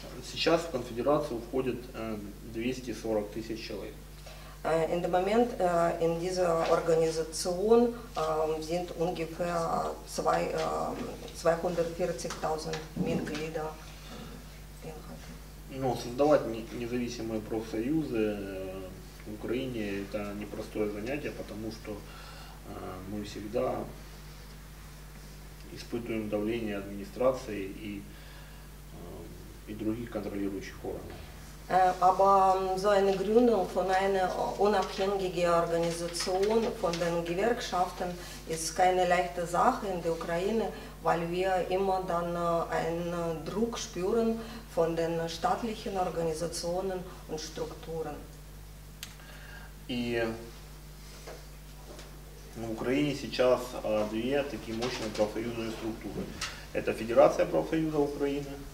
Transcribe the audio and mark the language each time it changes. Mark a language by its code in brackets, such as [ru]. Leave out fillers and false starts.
[ru] Сейчас в конфедерацию входит 240 тысяч человек. [de] In dem Moment in dieser Organisation sind ungefähr 240.000 Mitglieder. [ru] Но создавать независимые профсоюзы в Украине – это непростое занятие, потому что мы всегда испытываем давление администрации и других контролирующих органов. [de] Aber so eine Gründung von einer unabhängigen Organisation von den Gewerkschaften ist keine leichte Sache in der Ukraine, weil wir immer dann einen Druck spüren von den staatlichen Organisationen und Strukturen. Und in der Ukraine sind [ru] сейчас две такие мощные профсоюзные структуры. Это Федерация профсоюзов Украины.